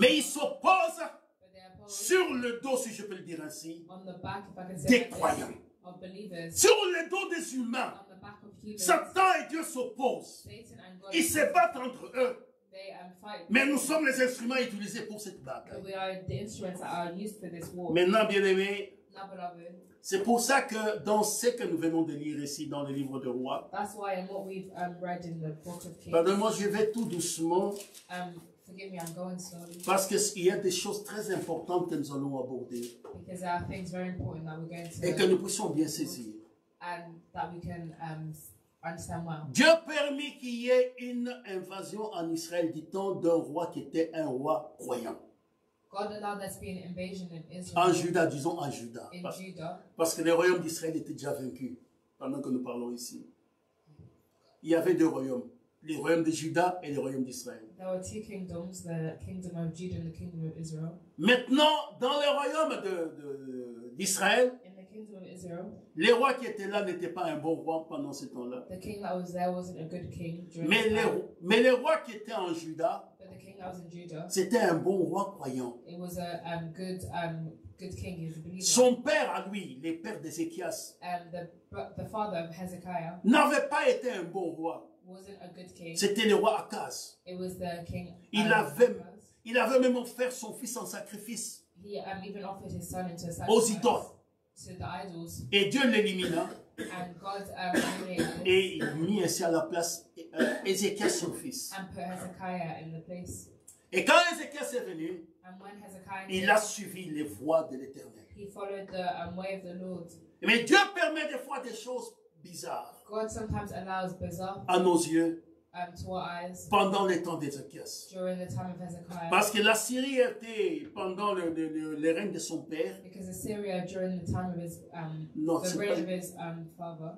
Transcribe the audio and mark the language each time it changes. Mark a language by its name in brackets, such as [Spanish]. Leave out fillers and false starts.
[French] Mais ils s'opposent sur le dos, si je peux le dire ainsi, [English] on the back, if I can say [French] des [English] like [French] croyants. [English] This. Of believers, [French] sur le dos des humains, [English] on the back of humans, [French] Satan et Dieu s'opposent. [English] Satan and God, [French] ils se battent entre eux. [English] They, fight. [French] Mais nous sommes les instruments utilisés pour cette bataille. [English] We are the instruments that are used for this war. [French] Maintenant, bien aimé, [English] now, beloved, [French] c'est pour ça que dans ce que nous venons de lire ici dans le livre de Rois, [English] that's why in what we've read in the book of Kings, [French] pardonne-moi, je vais tout doucement. [English] Forgive me, I'm going slowly. [French] Parce qu'il y a des choses très importantes que nous allons aborder. [English] Because there are things very important that we're going to. [French] Et que nous puissions bien saisir. [English] And that we can understand well. [French] Dieu permet qu'il y ait une invasion en Israël du temps d'un roi qui était un roi croyant. [English] God allowed there to be an invasion in Israel. [French] En Juda, disons en Juda. [English] In parce, Judah. [French] Parce que les royaumes d'Israël étaient déjà vaincus pendant que nous parlons ici. Il y avait deux royaumes. Les royaumes de Juda et les royaumes d'Israël. [English] There were two kingdoms, the kingdom of Judah and the kingdom of Israel. [French] Maintenant, dans les royaumes de d'Israël, [English] in the kingdom of Israel, [French] les rois qui étaient là n'étaient pas un bon roi pendant ce temps-là. [English] The king that was there wasn't a good king during that. [French] Mais les rois qui étaient en Juda, [English] but the king that was in Judah, [French] c'était un bon roi croyant. [English] It was a good king, he was a believer. [French] Son père à lui, le père d'Ézéchias, [English] the father of Hezekiah, [French] n'avait pas été un bon roi. [English] Wasn't a good king. [French] C'était le roi Akaz. [English] It was the king. [French] Il avait même offert son fils en sacrifice. [English] He even offered his son into a sacrifice. [French] Aux idoles. [English] To the idols. [French] Et Dieu l'élimina. [English] And God [French] et il mit ainsi à la place Ézéchias son fils. [English] And put Hezekiah in the place. [French] Et quand Ézéchias est venu, [English] and when Hezekiah [French] il a suivi les voies de l'Éternel. [English] He followed the way of the Lord. [French] Mais Dieu permet des fois des choses bizarres. [English] God sometimes allows bizarre [French] à nos yeux, [English] To our eyes. [French] Pendant les temps d'Ézéchias. [English] During the time of Hezekiah. [French] Parce que la Syrie était pendant le règne de son père. [English] Because Assyria during the time of his father.